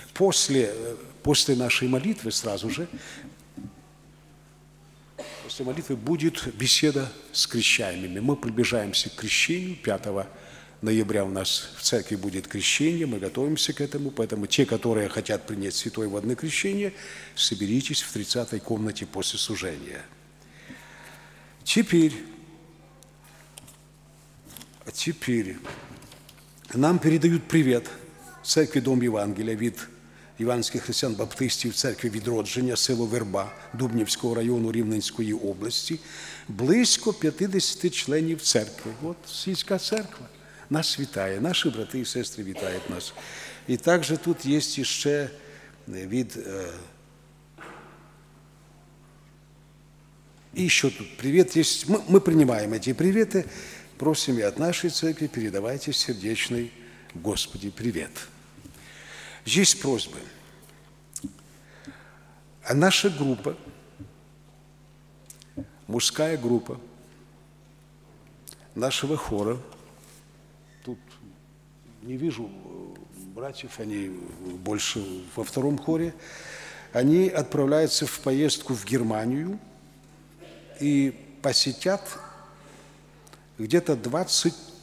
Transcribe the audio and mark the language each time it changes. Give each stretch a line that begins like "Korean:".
Russian: После нашей молитвы сразу же, после молитвы будет беседа с крещаемыми. Мы приближаемся к крещению 5 ноября у нас в церкви будет крещение, мы готовимся к этому, поэтому те, которые хотят принять святое водное крещение, соберитесь в 30-й комнате после служения. Теперь нам передают привет церкви Дом Евангелия
Ukrainian: від Іванських Христиан Баптистів, церкви Відродження, село Верба, Дубнівського району Рівненської області. Близько 50 членів церкви. От сільська церква. Нас вітає, наші брати і сестри вітають нас. І також тут є ще від... І ще тут привіт є. Ми приймаємо ці привіти, просимо від нашої церкви, передавайте сердечний Господі привіт. Є просьби. А наша група, мужська група нашого хора,
Russian: не вижу братьев, они больше во втором хоре, они отправляются в поездку в Германию и посетят где-то 20